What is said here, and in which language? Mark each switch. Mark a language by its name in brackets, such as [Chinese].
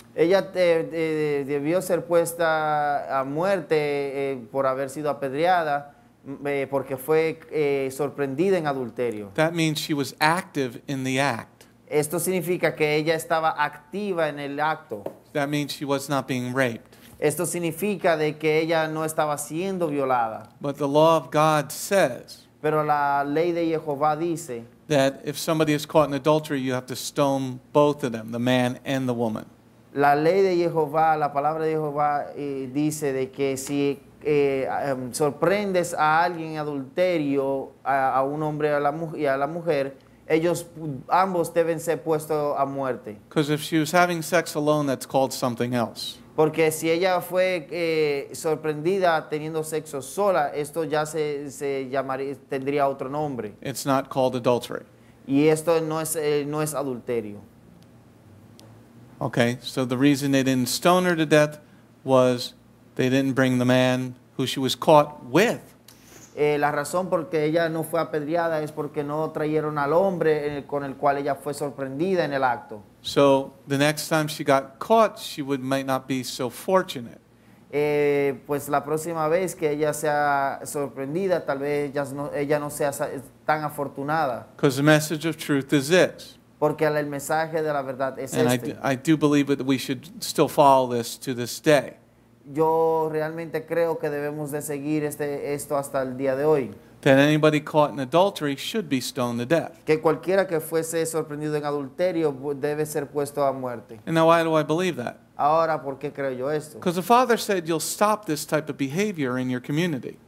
[Spanish] Ella debió ser puesta a muerte por haber sido apedreada porque fue sorprendida en adulterio. [English] That means she was active in the act. [Spanish] Esto significa que ella estaba activa en el acto. [English] That means she was not being raped. [Spanish] Esto significa de que ella no estaba siendo violada. [English] But the law of God says, [Spanish] pero la ley de Jehová dice, [English] that if somebody is caught in adultery, you have to stone both of them, the man and the woman. [Spanish] La ley de Jehová, la palabra de Jehová dice de que si sorprendes a alguien en adulterio, a un hombre y a la mujer, ellos ambos deben ser puestos a muerte. [English] Because if she was having sex alone, that's called something else. [Spanish] Porque si ella fue sorprendida teniendo sexo sola, esto ya se llamaría, tendría otro nombre. [English] It's not called adultery. [Spanish] Y esto no es adulterio. [English] Okay, so the reason they didn't stone her to death was they didn't bring the man who she was caught with. [Spanish] La razón por la que ella no fue apedreada es porque no trajeron al hombre con el cual ella fue sorprendida en el acto. [English] So the next time she got caught, she might not be so fortunate. [Spanish] Pues la próxima vez que ella sea sorprendida, tal vez ella no sea tan afortunada. [English] Because the message of truth is this. [Spanish] Porque el mensaje de la verdad es este. [English] And I do believe that we should still follow this to this day. [Spanish] Yo realmente creo que debemos de seguir esto hasta el día de hoy. [English] That anybody caught in adultery should be stoned to death. [Spanish] Que cualquiera que fuese sorprendido en adulterio debe ser puesto a muerte. [English] And now why do I believe that? [Spanish] Ahora, ¿por qué creo yo esto? [English] Because the father said you'll stop this type of behavior in your community.